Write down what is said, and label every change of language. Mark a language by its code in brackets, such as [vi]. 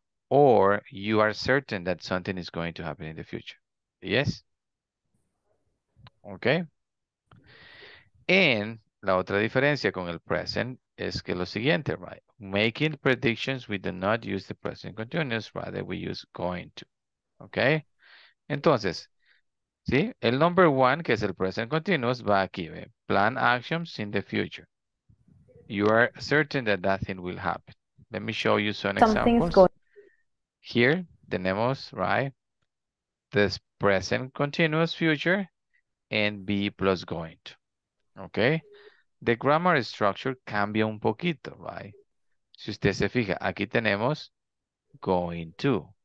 [en] Or you are certain that something is going to happen in the future. Yes? Okay. [es] And la otra diferencia con el present es que lo siguiente, right? [en] Making predictions, we do not use the present continuous, rather we use going to. [es] Okay? Entonces, ¿sí? El number one, que es el present continuous, va aquí, ¿eh? [en] Plan actions in the future. You are certain that that thing will happen. Let me show you some examples. Here, [es] tenemos, [en] right, this present continuous future and be plus going to, okay? The grammar structure [es] cambia un poquito, right? Si usted se fija, aquí tenemos going to.